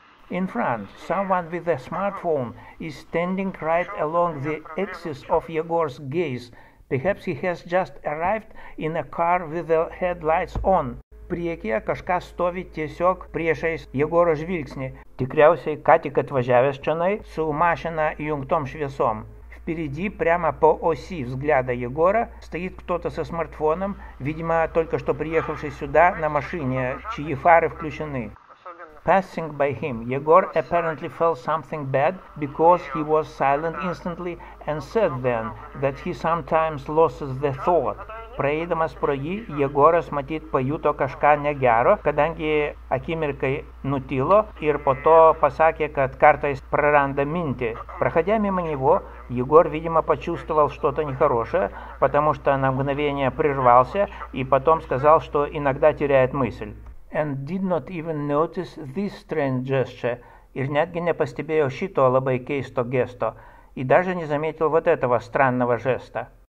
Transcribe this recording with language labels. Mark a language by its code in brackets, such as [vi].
[en] In front, someone with a smartphone is standing right along the axis of Yegor's gaze. Perhaps he has just arrived in a car with the headlights on. [lt] Priekyje kažkas stovi tiesiog priešais Jegoro žvilgsnį. Tikriausiai, ką tik atvažiavęs čionai su mašina įjungtom šviesom. [ru] Впереди, прямо по оси взгляда Егора, стоит кто-то со смартфоном, видимо, только что приехавший сюда на машине, чьи фары включены. [en] Passing by him, Егор apparently felt something bad, because he was silent instantly and said then that he sometimes loses the thought. [lt] Praeidamas pro jį, Егорас, matyt, pajuto кашка негеро, kadangi akimirkai nutilo ir po то pasakė, kad kartais praranda minti. [ru] Проходя мимо него, Егор, видимо, почувствовал что-то нехорошее, потому что на мгновение прервался и потом сказал, что иногда теряет мысль. [en] And did not even notice this strange gesture. [lt] Ir netgi nepastebėjo šito labai keisto gesto. [ru] И даже не заметил вот этого странного жеста.